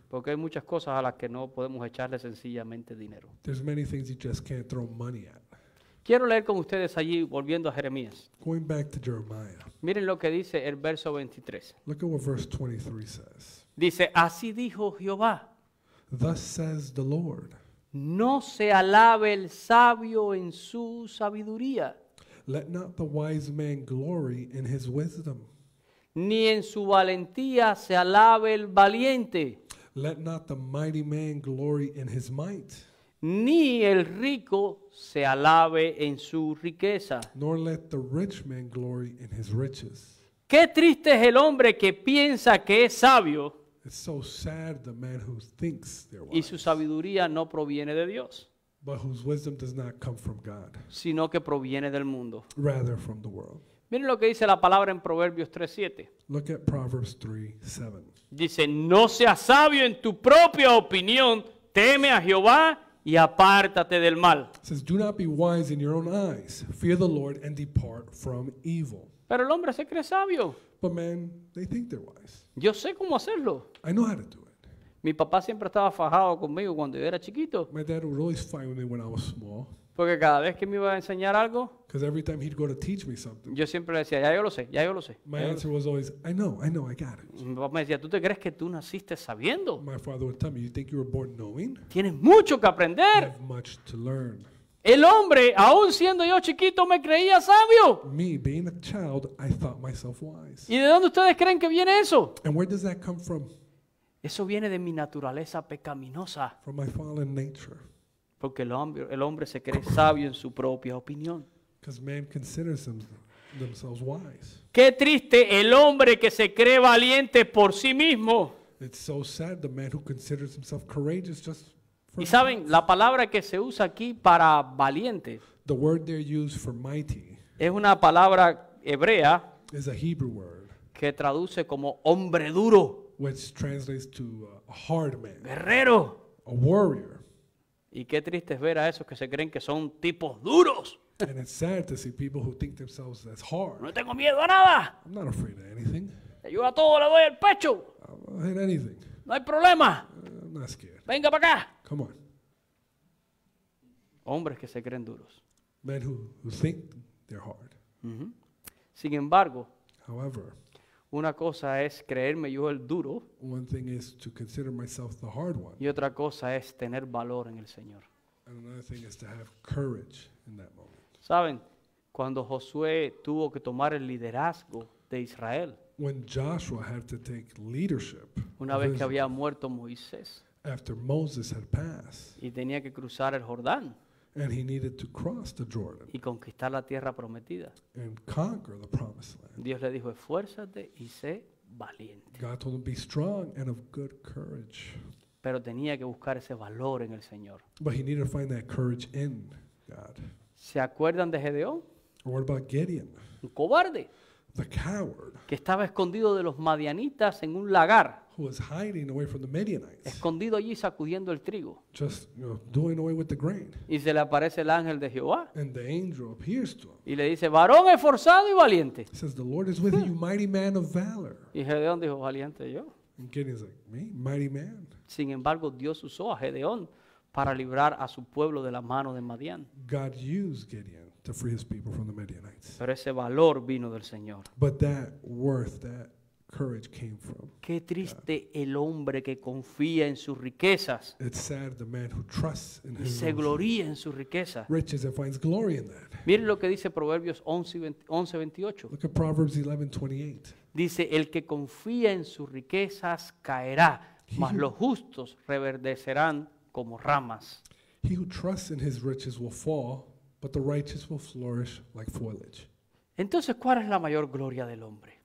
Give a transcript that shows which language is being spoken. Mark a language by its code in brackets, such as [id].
[es] Porque hay muchas cosas a las que no podemos echarle sencillamente dinero. [en] There's many things you just can't throw money at. [es] Quiero leer con ustedes allí, volviendo a Jeremías. [en] Going back to Jeremiah. [es] Miren lo que dice el verso 23. [en] Look at what verse 23 says. [es] Dice, así dijo Jehová. [en] Thus says the Lord. [es] No se alabe el sabio en su sabiduría. [en] Let not the wise man glory in his wisdom. [es] Ni en su valentía se alabe el valiente. [en] Let not the mighty man glory in his might. [es] Ni el rico se alabe en su riqueza. [en] Nor let the rich man glory in his riches. [es] Qué triste es el hombre que piensa que es sabio. [en] It's so sad the man who thinks they're wise. [es] Y su sabiduría no proviene de Dios. [en] But whose wisdom does not come from God. [es] Sino que proviene del mundo. [en] Rather from the world. [es] Miren lo que dice la palabra en Proverbios 3:7. [en] Look at Proverbs 3:7. [es] Dice, no seas sabio en tu propia opinión, teme a Jehová y apártate del mal. [en] It says, do not be wise in your own eyes, fear the Lord and depart from evil. [es] Pero el hombre se cree sabio. [en] But men, they think they're wise. [es] Yo sé cómo hacerlo. [en] I know how to do it. [es] Mi papá siempre estaba fajado conmigo cuando yo era chiquito. [en] My dad would always fight with me when I was small. [es] Porque cada vez que me iba a enseñar algo, [en] every time he'd go to teach me something, [es] yo siempre le decía, ya yo lo sé, ya yo lo sé. [en] My answer was always, I know, I got it. [es] Mi papá me decía, ¿tú te crees que tú naciste sabiendo? [en] My father would tell me, you think you were born knowing? [es] Tienes mucho que aprender. [en] You have much to learn. [es] El hombre, aún siendo yo chiquito, me creía sabio. [en] Me, being a child, I thought myself wise. [es] ¿Y de dónde ustedes creen que viene eso? [en] And where does that come from? [es] Eso viene de mi naturaleza pecaminosa. [en] From my fallen nature. [es] Porque el hombre se cree sabio en su propia opinión. [en] Because man considers themselves wise. [es] Qué triste el hombre que se cree valiente por sí mismo. [en] It's so sad the man who considers himself courageous just for [es] himself. Y saben, la palabra que se usa aquí para valiente, [en] the word they use for mighty, [es] es una palabra hebrea, [en] is a Hebrew word, [es] que traduce como hombre duro, [en] which translates to a hard man, [es] guerrero, [en] a warrior. [es] Y qué triste es ver a esos que se creen que son tipos duros. [en] And it's sad to see people who think themselves as hard. [es] No tengo miedo a nada. [en] I'm not afraid of anything. [es] Yo a todo le doy el pecho. [en] I'll hit anything. [es] No hay problema. [en] I'm not scared. [es] Venga para acá. [en] Come on. [es] Hombres que se creen duros. [en] Men who think they're hard. [es] Mm-hmm. Sin embargo, [en] however, [es] una cosa es creerme yo el duro. [en] One thing is to consider myself the hard one. [es] Y otra cosa es tener valor en el Señor. [en] And another thing is to have courage in that moment. [es] Saben, cuando Josué tuvo que tomar el liderazgo de Israel. [en] When Joshua had to take leadership. [es] Una vez que había muerto Moisés. [en] After Moses had passed. [es] Y tenía que cruzar el Jordán. [en] And he needed to cross the Jordan. [es] Y conquistar la tierra prometida. [en] And conquer the promised land. [es] Dios le dijo, esfuérzate y sé valiente. [en] God told him, be strong and of good courage. [es] Pero tenía que buscar ese valor en el Señor. [en] But he needed to find that courage in God. [es] ¿Se acuerdan de Gedeón? [en] What about Gideon? [es] Un cobarde. [en] The coward. [es] Que estaba escondido de los madianitas en un lagar. [en] Who was hiding away from the Midianites. [es] Escondido allí sacudiendo el trigo. [en] Just, you know, doing away with the grain. [es] Y se le aparece el ángel de Jehová. [en] And the angel appears to him. [es] Y le dice, varón esforzado y valiente. [en] He says, the Lord is with you, mighty man of valor. [es] Y Gedeón dijo, valiente yo. [en] And Gideon's like, me, mighty man. [es] Sin embargo, Dios usó a Gedeón para librar a su pueblo de la mano de Madian. [en] God used Gideon to free his people from the Midianites. [es] Pero ese valor vino del Señor. [en] But that worth, that courage came from. [es] Qué triste God. El hombre que confía en sus riquezas. [en] It's sad the man who trusts in his [es] riches. Se gloría en sus riquezas. [en] Riches and finds glory in that. [es] Miren lo que dice Proverbios 11:28. [en] Look at Proverbs 11:28. [es] Dice, el que confía en sus riquezas caerá, mas los justos reverdecerán como ramas. [en] He who trusts in his riches will fall, But the righteous will flourish like foliage. [es] Entonces, ¿cuál es la mayor gloria del hombre?